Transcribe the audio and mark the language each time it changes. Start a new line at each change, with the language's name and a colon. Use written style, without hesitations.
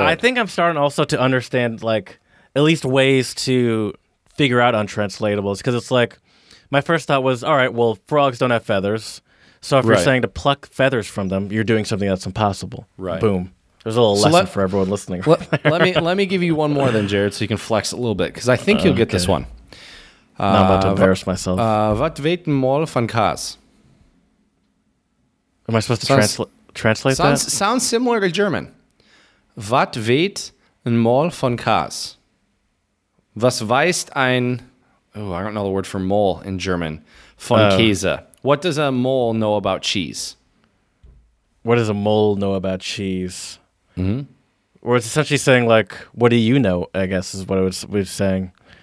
English: I think I'm starting also to understand like at least ways to figure out untranslatables because it's like my first thought was, all right, well, frogs don't have feathers. So if you're saying to pluck feathers from them, you're doing something that's impossible. Right. Boom. There's a little lesson for everyone listening. Right there. Let me give you one more then, Jared, so you can flex a little bit, because I think you'll get this one. Now I'm about to embarrass myself.
Dutch: Wat weet een mol van kaas?
English: Am I supposed to translate that? Sounds similar to German.
Dutch: Wat weet een mol van kaas?
German: Was weist ein...
English: Oh, I don't know the word for mole in German.
German: Von Käse.
English: What does a mole know about cheese? what does a mole know about cheese? Mm-hmm. Or it's essentially saying, like, what do you know, I guess, is what we were saying.